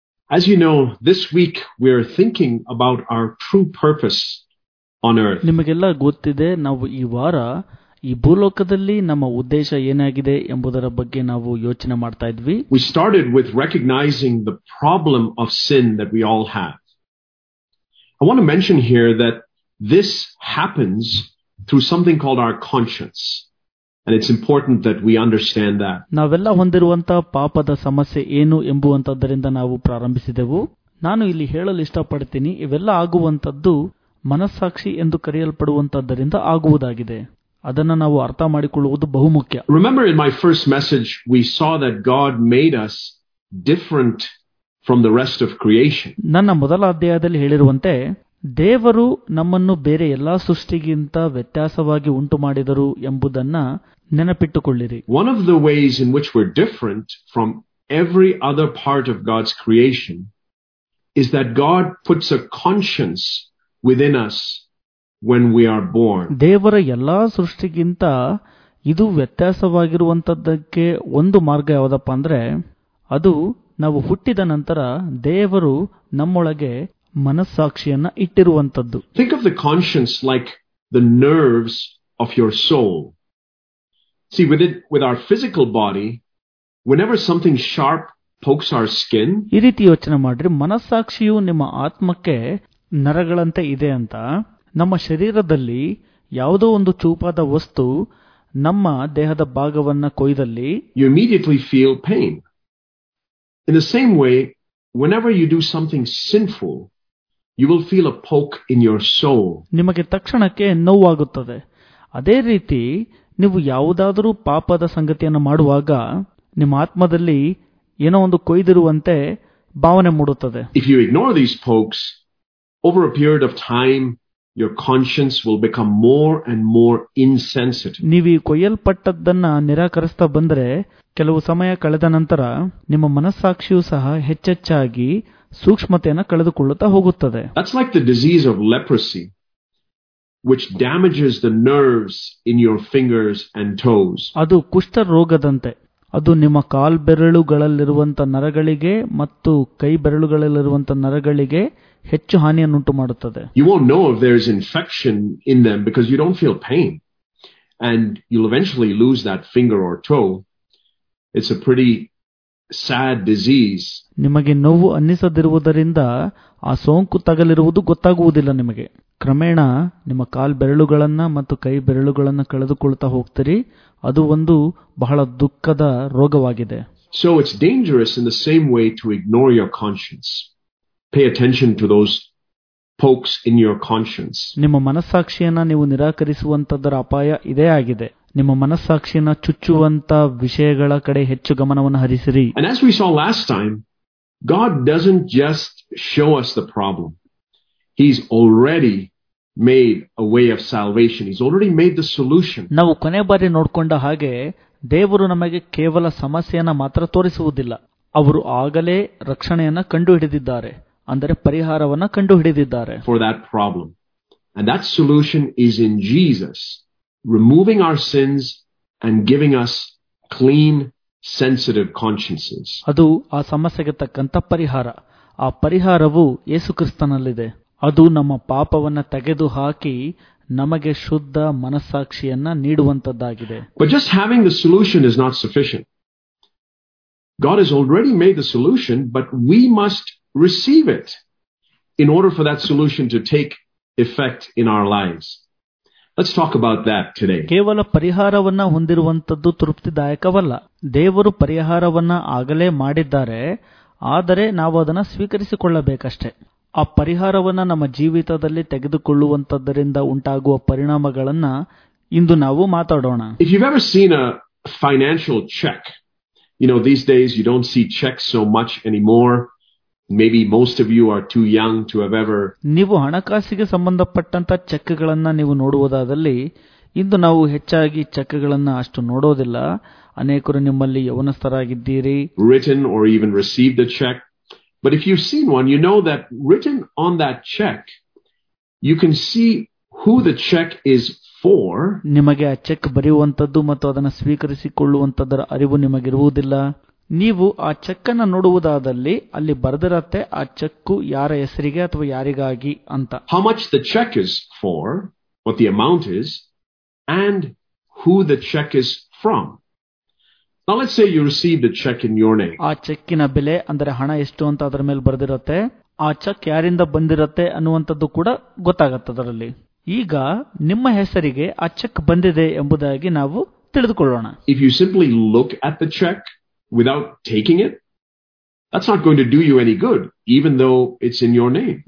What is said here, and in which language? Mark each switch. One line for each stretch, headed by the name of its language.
English: As you know, this week we're thinking about our true purpose on earth.
Kannada: ನಿಮಗೆಲ್ಲ ಗೊತ್ತಿದೆ, ನಾವು ಈ ವಾರ ಈ ಭೂಲೋಕದಲ್ಲಿ ನಮ್ಮ ಉದ್ದೇಶ ಏನಾಗಿದೆ ಎಂಬುದರ ಬಗ್ಗೆ ನಾವು ಯೋಚನೆ ಮಾಡ್ತಾ ಇದ್ವಿ.
English: We started with recognizing the problem of sin that we all have. I want to mention here that this happens through something called our conscience. And it's important that we understand that.
Kannada: ನಾವೆಲ್ಲ ಹೊಂದಿರುವಂತಹ ಪಾಪದ ಸಮಸ್ಯೆ ಏನು ಎಂಬುವಂತದ್ದರಿಂದ ನಾವು ಪ್ರಾರಂಭಿಸಿದೆವು. ನಾನು ಇಲ್ಲಿ ಹೇಳಲು ಇಷ್ಟಪಡ್ತೀನಿ, ಇವೆಲ್ಲ ಆಗುವಂತದ್ದು ಮನಸ್ಸಾಕ್ಷಿ ಎಂದು ಕರೆಯಲ್ಪಡುವಂತದ್ದರಿಂದ ಆಗುವುದಾಗಿದೆ. ಅದನ್ನು ನಾವು ಅರ್ಥ ಮಾಡಿಕೊಳ್ಳುವುದು ಬಹುಮುಖ್ಯ.
English: Remember in my first message we saw that God made us different from the rest of creation.
Kannada: ನನ್ನ ಮೊದಲ ಅಧ್ಯಾಯದಲ್ಲಿ ಹೇಳಿರುವಂತೆ ದೇವರು ನಮ್ಮನ್ನು ಬೇರೆ ಎಲ್ಲಾ ಸೃಷ್ಟಿಗಿಂತ ವ್ಯತ್ಯಾಸವಾಗಿ ಉಂಟು ಮಾಡಿದರು ಎಂಬುದನ್ನ ನೆನಪಿಟ್ಟುಕೊಳ್ಳಿರಿ.
English: One of the ways in which we're different from every other part of God's creation is that God puts a conscience within us when we are born.
Kannada: ದೇವರ ಎಲ್ಲಾ ಸೃಷ್ಟಿಗಿಂತ ಇದು ವ್ಯತ್ಯಾಸವಾಗಿರುವಂತದ್ದಕ್ಕೆ ಒಂದು ಮಾರ್ಗ ಯಾವುದಪ್ಪ ಅಂದ್ರೆ ಅದು ನಾವು ಹುಟ್ಟಿದ ನಂತರ ದೇವರು ನಮ್ಮೊಳಗೆ ಮನಸ್ಸಾಕ್ಷಿಯನ್ನ ಇಟ್ಟಿರುವಂತದ್ದು.
English: Think of the conscience like the nerves of your soul. See, with our physical body, whenever something sharp pokes our skin,
Kannada: ಈ ರೀತಿ ಯೋಚನೆ ಮಾಡಿದ್ರೆ ಮನಸ್ಸಾಕ್ಷಿಯು ನಿಮ್ಮ ಆತ್ಮಕ್ಕೆ ನರಗಳಂತೆ ಇದೆ ಅಂತ. ನಮ್ಮ ಶರೀರದಲ್ಲಿ ಯಾವುದೋ ಒಂದು ಚೂಪಾದ ವಸ್ತು ನಮ್ಮ ದೇಹದ ಭಾಗವನ್ನ ಕೊಯ್ದಲ್ಲಿ
English: You immediately feel pain. In the same way whenever you do something sinful you will feel a poke in your soul.
Kannada: ನಿಮಗೆ ತಕ್ಷಣಕ್ಕೆ ನೋವಾಗುತ್ತದೆ. ಅದೇ ರೀತಿ ನೀವು ಯಾವುದಾದರೂ ಪಾಪದ ಸಂಗತಿಯನ್ನು ಮಾಡುವಾಗ ನಿಮ್ಮ ಆತ್ಮದಲ್ಲಿ ಏನೋ ಒಂದು ಕೊಯ್ದಿರುವಂತೆ ಭಾವನೆ ಮೂಡುತ್ತದೆ.
English: If you ignore these pokes over a period of time your conscience will become more and more insensitive.
Kannada: ನೀವು ಕೊಯ್ಯಲ್ಪಟ್ಟದ್ದನ್ನು ನಿರಾಕರಿಸ್ತಾ ಬಂದರೆ ಕೆಲವು ಸಮಯ ಕಳೆದ ನಂತರ ನಿಮ್ಮ ಮನಸ್ಸಾಕ್ಷಿಯು ಸಹ ಹೆಚ್ಚೆಚ್ಚಾಗಿ ಸೂಕ್ಷ್ಮತೆಯನ್ನು ಕಳೆದುಕೊಳ್ಳುತ್ತಾ ಹೋಗುತ್ತದೆ.
English: That's like the disease of leprosy, which damages the nerves in your fingers and toes.
Kannada: ಅದು ಕುಷ್ಠ ರೋಗದಂತೆ. ಅದು ನಿಮ್ಮ ಕಾಲ್ಬೆರಳುಗಳಲ್ಲಿರುವಂತಹ ನರಗಳಿಗೆ ಮತ್ತು ಕೈ ಬೆರಳುಗಳಲ್ಲಿರುವಂತಹ ನರಗಳಿಗೆ ಹೆಚ್ಚು ಹಾನಿಯನ್ನುಂಟು ಮಾಡುತ್ತದೆ.
English: You won't know if there is infection in them because you don't feel pain. And you'll eventually lose that finger or toe. It's a pretty sad disease.
Kannada: ನಿಮಗೆ ನೋವು ಅನ್ನಿಸದಿರುವುದರಿಂದ ಆ ಸೋಂಕು ತಗಲಿರುವುದು ಗೊತ್ತಾಗುವುದಿಲ್ಲ ನಿಮಗೆ. ಕ್ರಮೇಣ ನಿಮ್ಮ ಕಾಲ್ ಬೆರಳುಗಳನ್ನ ಮತ್ತು ಕೈ ಬೆರಳುಗಳನ್ನ ಕಳೆದುಕೊಳ್ಳುತ್ತಾ ಹೋಗ್ತೀರಿ. ಅದು ಒಂದು ಬಹಳ ದುಃಖದ ರೋಗವಾಗಿದೆ.
English: So it's dangerous in the same way to ignore your conscience. Pay attention to those pokes in your conscience.
Kannada: ನಿಮ್ಮ ಮನಸ್ಸಾಕ್ಷಿಯನ್ನ ನೀವು ನಿರಾಕರಿಸುವಂತದ್ದರ ಅಪಾಯ ಇದೇ ಆಗಿದೆ. ನಿಮ್ಮ ಮನಸ್ಸಾಕ್ಷಿಯನ್ನ ಚುಚ್ಚುವಂತ ವಿಷಯಗಳ ಕಡೆ ಹೆಚ್ಚು ಗಮನವನ್ನು ಹರಿಸಿರಿ.
English: And as we saw last time, God doesn't just show us the problem. He's already made a way of salvation. He's already made the solution.
Kannada: ನಾವು ಕೊನೆ ಬಾರಿ ನೋಡಿಕೊಂಡ ಹಾಗೆ ದೇವರು ನಮಗೆ ಕೇವಲ ಸಮಸ್ಯೆಯನ್ನ ಮಾತ್ರ ತೋರಿಸುವುದಿಲ್ಲ, ಅವರು ಆಗಲೇ ರಕ್ಷಣೆಯನ್ನ ಕಂಡುಹಿಡಿದಿದ್ದಾರೆ, ಅಂದರೆ ಪರಿಹಾರವನ್ನ ಕಂಡುಹಿಡಿದಿದ್ದಾರೆ.
English: For that problem. And that solution is in Jesus, removing our sins and giving us clean, sensitive consciences.
Kannada: ಅದು ಆ ಸಮಸ್ಯೆಗೆ ತಕ್ಕಂತ ಪರಿಹಾರ. ಆ ಪರಿಹಾರವು ಯೇಸುಕ್ರಿಸ್ತನಲ್ಲಿದೆ. ಅದು ನಮ್ಮ ಪಾಪವನ್ನ ತೆಗೆದುಹಾಕಿ ನಮಗೆ ಶುದ್ಧ ಮನಸ್ಸಾಕ್ಷಿಯನ್ನ ನೀಡುವಂತದ್ದಾಗಿದೆ.
English: But just having the solution is not sufficient. God has already made the solution, but we must receive it in order for that solution to take effect in our lives. Let's talk about that today.
Kannada: ಕೇವಲ ಪರಿಹಾರವನ್ನ ಹೊಂದಿರುವಂತದ್ದು ತೃಪ್ತಿದಾಯಕವಲ್ಲ. ದೇವರು ಪರಿಹಾರವನ್ನ ಆಗಲೇ ಮಾಡಿದ್ದಾರೆ, ಆದರೆ ನಾವು ಅದನ್ನ ಸ್ವೀಕರಿಸಿಕೊಳ್ಳಬೇಕಷ್ಟೇ. ಆ ಪರಿಹಾರವನ್ನ ನಮ್ಮ ಜೀವಿತದಲ್ಲಿ ತೆಗೆದುಕೊಳ್ಳುವಂತದ್ದರಿಂದ ಉಂಟಾಗುವ ಪರಿಣಾಮಗಳನ್ನ ಇಂದು ನಾವು ಮಾತಾಡೋಣ.
English: If you've ever seen a financial check, you know, these days you don't see checks so much anymore. Maybe most of you are too young to have ever.
Kannada: ನೀವು ಹಣಕಾಸಿಗೆ ಸಂಬಂಧಪಟ್ಟಂತ ಚೆಕ್ಗಳನ್ನ ನೀವು ನೋಡುವುದಾದಲ್ಲಿ ಇಂದು ನಾವು ಹೆಚ್ಚಾಗಿ ಚೆಕ್ಗಳನ್ನ ಅಷ್ಟು ನೋಡೋದಿಲ್ಲ. ಅನೇಕರು ನಿಮ್ಮಲ್ಲಿ ಯವನಸ್ಥರಾಗಿದ್ದೀರಿ.
English: Written or even received a check. But if you've seen one, you know that written on that check, you can see who the check is for.
Kannada: ನಿಮಗೆ ಆ ಚೆಕ್ ಬರೆಯುವಂತದ್ದು ಮತ್ತು ಅದನ್ನು ಸ್ವೀಕರಿಸಿಕೊಳ್ಳುವಂತದ್ದರ ಅರಿವು ನಿಮಗಿರುವುದಿಲ್ಲ. ನೀವು ಆ ಚೆಕ್ಕನ್ನು ನೋಡುವುದಾದಲ್ಲಿ ಅಲ್ಲಿ ಬರೆದಿರತ್ತೆ ಆ ಚೆಕ್ ಯಾರ ಹೆಸರಿಗೆ ಅಥವಾ ಯಾರಿಗಾಗಿ ಅಂತ.
English: How much the cheque is for, what the amount is, and who the cheque is from. Now let's say you receive the check in your name.
Kannada: ಆ ಚೆಕ್ಕಿನ ಬೆಲೆ ಅಂದ್ರೆ ಹಣ ಎಷ್ಟು ಅಂತ ಅದರ ಮೇಲೆ ಬರೆದಿರತ್ತೆ. ಆ ಚೆಕ್ ಯಾರಿಂದ ಬಂದಿರತ್ತೆ ಅನ್ನುವಂಥದ್ದು ಕೂಡ ಗೊತ್ತಾಗತ್ತೆ ಅದರಲ್ಲಿ. ಈಗ ನಿಮ್ಮ ಹೆಸರಿಗೆ ಆ ಚೆಕ್ ಬಂದಿದೆ ಎಂಬುದಾಗಿ ನಾವು ತಿಳಿದುಕೊಳ್ಳೋಣ.
English: If you simply look at the cheque without taking it, that's not going to do you any good, even though it's in your name.